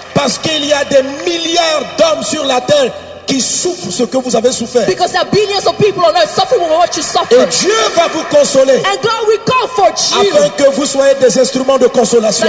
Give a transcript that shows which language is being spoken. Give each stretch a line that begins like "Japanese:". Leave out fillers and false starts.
French: Parce qu'il y a des milliards d'hommes sur la terre qui souffrent ce que vous avez souffert.
English: Because there are billions of people on earth suffering with what you suffered.
French: Et Dieu va vous consoler.
English: And God will comfort you.
French: Afin que vous soyez des instruments de consolation.